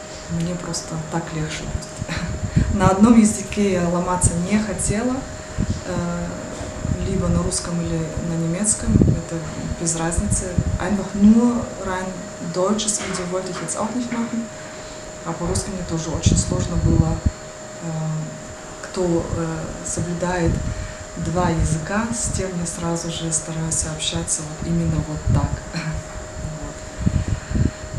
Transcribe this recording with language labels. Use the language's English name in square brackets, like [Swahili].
[Russian] Мне просто так легче будет. На одном языке я ломаться не хотела, либо на русском или на немецком, это без разницы. [German] Einfach nur rein deutsches Video wollte ich jetzt auch nicht machen, [Russian] а по-русски мне тоже очень сложно было. Кто соблюдает два языка, с тем я сразу же стараюсь общаться вот именно вот так. Вот.